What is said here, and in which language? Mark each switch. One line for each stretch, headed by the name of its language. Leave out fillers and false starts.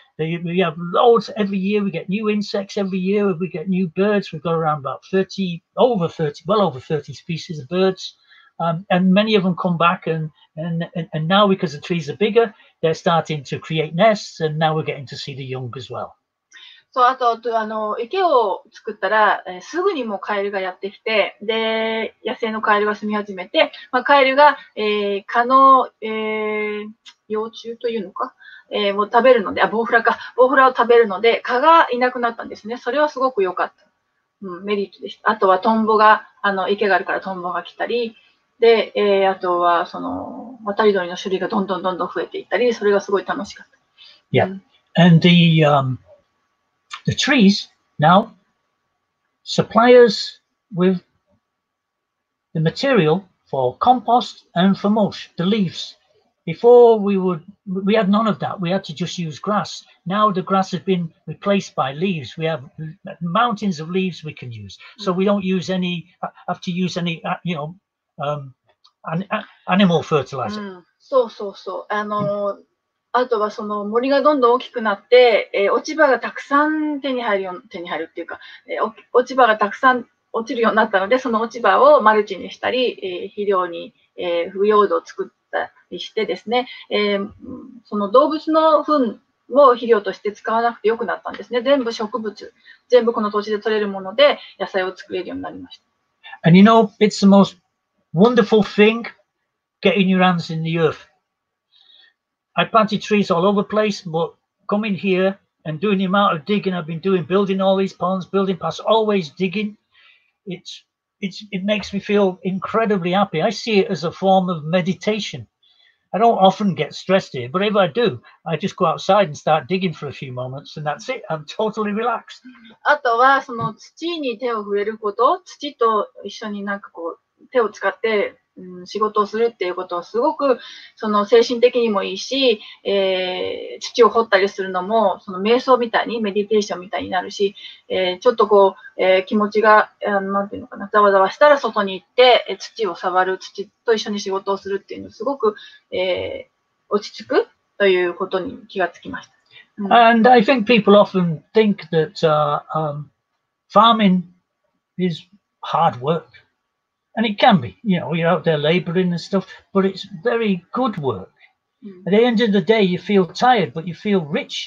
English: We have loads every year. We get new insects every year. We get new birds. We've got around about 30, over 30, well over 30 species of birds. And many of them come back. And now because the trees are bigger, they're starting to create nests. And now we're getting to see the young as well.
Japanese: そう、あと、あの、池を作ったら、すぐにもカエルがやってきて、で、野生のカエルが住み始めて、まあ、カエルが、蚊の、幼虫というのか、もう食べるので、あ、ボウフラか、ボウフラを食べるので、蚊がいなくなったんですね。それはすごく良かった。うん、メリットでした。あとはトンボが、あの、池があるからトンボが来たり、で、あとは、その、渡り鳥の種類がどんどんどんどん増えていったり、それがすごい楽しかった。 Yeah.
English: And the, The trees now supply us with the material for compost and for mulch, the leaves. Before we had none of that. We had to just use grass. Now the grass has been replaced by leaves. We have mountains of leaves we can use. So we don't use any, have to use any, you know, animal fertilizer. So.
Japanese: あとはその森がどんどん大きくなって、落ち葉がたくさん手に入るっていうか、落ち葉がたくさん落ちるようになったので、その落ち葉をマルチにしたり、肥料に、腐葉土を作ったりしてですね、その動物の糞を肥料として使わなくてよくなったんですね。全部植物、全部この土地で採れるもので野菜を作れるようになりました。
English: And you know, it's the most wonderful thing, getting your hands in the earth. I planted trees all over the place, but coming here and doing the amount of digging I've been doing, building all these ponds, building paths, always digging, it makes me feel incredibly happy. I see it as a form of meditation. I don't often get stressed here, but if I do, I just go outside and start digging for a few moments, and that's it. I'm totally relaxed.
Japanese: あとはその土に手を触れること、土と一緒になんかこう手を使って、仕事をするっていうことはすごくその精神的にもいいし、土を掘ったりするのもその瞑想みたいにメディテーションみたいになるし、ちょっとこう、気持ちがなんていうのかなざわざわしたら外に行って、土を触る土と一緒に仕事をするっていうのすごく、落ち着くということに気がつきました。
English: うん、And I think people often think that farming is hard work. And it can be, you know, you're out there laboring and stuff, but it's very good work. At the end of the day, you feel tired, but you feel rich.